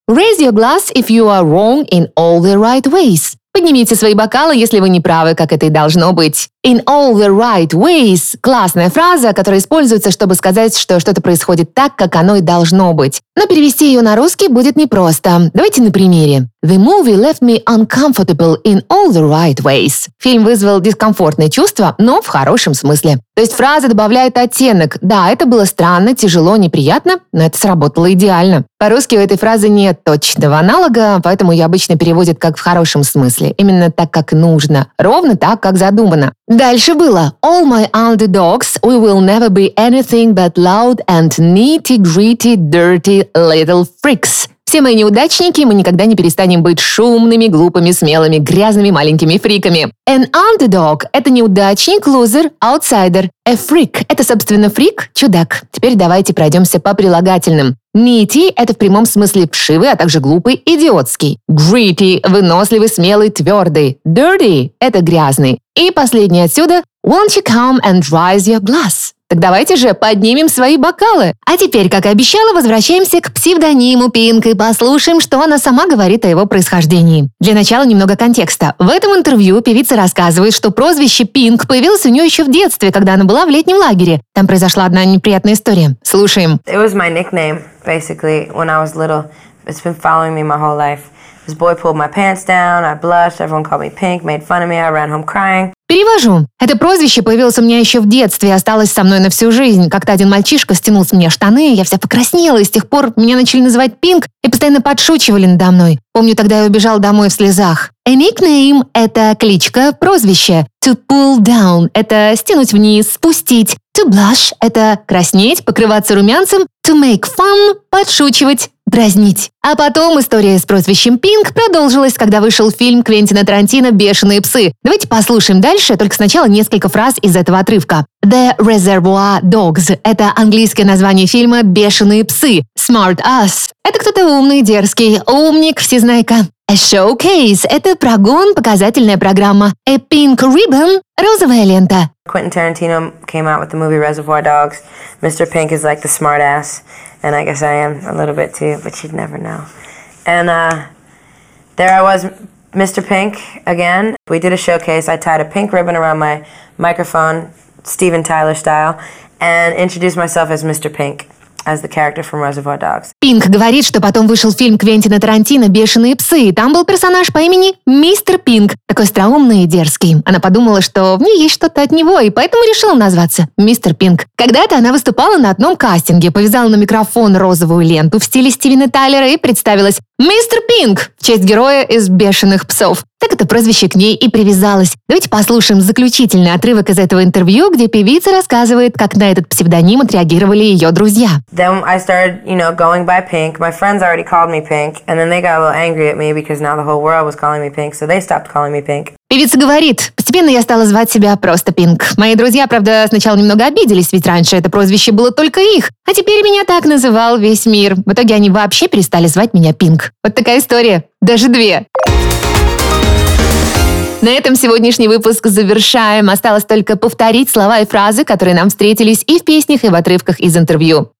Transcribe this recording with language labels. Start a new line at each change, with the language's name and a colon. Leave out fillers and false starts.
English: Raise your glass if you are wrong in all the right ways.
Russian: Поднимите свои бокалы, если вы не правы, как это и должно быть.
English: In all the right ways
Russian: – классная фраза, которая используется, чтобы сказать, что что-то происходит так, как оно и должно быть. Но перевести ее на русский будет непросто. Давайте на примере.
English: The movie left me uncomfortable in all the right ways.
Russian: Фильм вызвал дискомфортные чувства, но в хорошем смысле. То есть фраза добавляет оттенок. Да, это было странно, тяжело, неприятно, но это сработало идеально. По-русски у этой фразы нет точного аналога, поэтому ее обычно переводят как «в хорошем смысле». Именно так, как нужно. Ровно так, как задумано. Дальше было.
English: All my underdogs, we will never be anything but loud and nitty-gritty dirty little freaks.
Russian: Все мои неудачники, мы никогда не перестанем быть шумными, глупыми, смелыми, грязными маленькими фриками. An underdog – это неудачник, лузер, outsider. A freak – это, собственно, фрик, чудак. Теперь давайте пройдемся по прилагательным. Nitty – это в прямом смысле пшивый, а также глупый, идиотский. Gritty – выносливый, смелый, твердый. Dirty – это грязный. И последнее отсюда
English: – won't you come and raise your glass?
Russian: Так давайте же поднимем свои бокалы. А теперь, как и обещала, возвращаемся к псевдониму Pink и послушаем, что она сама говорит о его происхождении. Для начала немного контекста. В этом интервью певица рассказывает, что прозвище Pink появилось у нее еще в детстве, когда она была в летнем лагере. Там произошла одна неприятная история. Слушаем.
English: It was my nickname, basically, when I was little. It's been following me my whole life. This boy pulled my pants down, I blushed, everyone called me Pink, made fun of me, I ran home crying.
Russian: Перевожу. Это прозвище появилось у меня еще в детстве и осталось со мной на всю жизнь. Как-то один мальчишка стянул с меня штаны, я вся покраснела, и с тех пор меня начали называть Pink и постоянно подшучивали надо мной. Помню, тогда я убежала домой в слезах. A nickname – это кличка, прозвище. To pull down – это стянуть вниз, спустить. To blush – это краснеть, покрываться румянцем. To make fun – подшучивать, дразнить. А потом история с прозвищем Pink продолжилась, когда вышел фильм Квентина Тарантино «Бешеные псы». Давайте послушаем дальше, только сначала несколько фраз из этого отрывка. The Reservoir Dogs – это английское название фильма «Бешеные псы». Smart Ass – это кто-то умный, дерзкий, умник, всезнайка. A showcase – это прогон, показательная программа. A pink ribbon – розовая лента.
English: Quentin Tarantino came out with the movie Reservoir Dogs. Mr. Pink is like the smart ass, and I guess I am a little bit too, but you'd never know. And There I was, Mr. Pink, again. We did a showcase. I tied a pink ribbon around my microphone, Steven Tyler style, and introduced myself as Mr. Pink, as the character from Reservoir Dogs.
Russian: Пинк говорит, что потом вышел фильм Квентина Тарантино «Бешеные псы», и там был персонаж по имени Мистер Пинк, такой остроумный и дерзкий. Она подумала, что в ней есть что-то от него, и поэтому решила назваться Мистер Пинк. Когда-то она выступала на одном кастинге, повязала на микрофон розовую ленту в стиле Стивена Тайлера и представилась Мистер Пинк в честь героя из «Бешеных псов». Так это прозвище к ней и привязалось. Давайте послушаем заключительный отрывок из этого интервью, где певица рассказывает, как на этот псевдоним отреагировали ее друзья.
English: Then I started, you know, going by Pink. My friends already called me Pink, and then they got a little angry at me because now the whole world was calling me Pink, so they stopped calling me Pink.
Russian: Певица говорит, постепенно я стала звать себя просто Пинк. Мои друзья, правда, сначала немного обиделись, ведь раньше это прозвище было только их. А теперь меня так называл весь мир. В итоге они вообще перестали звать меня Пинк. Вот такая история. Даже две. На этом сегодняшний выпуск завершаем. Осталось только повторить слова и фразы, которые нам встретились и в песнях, и в отрывках из интервью.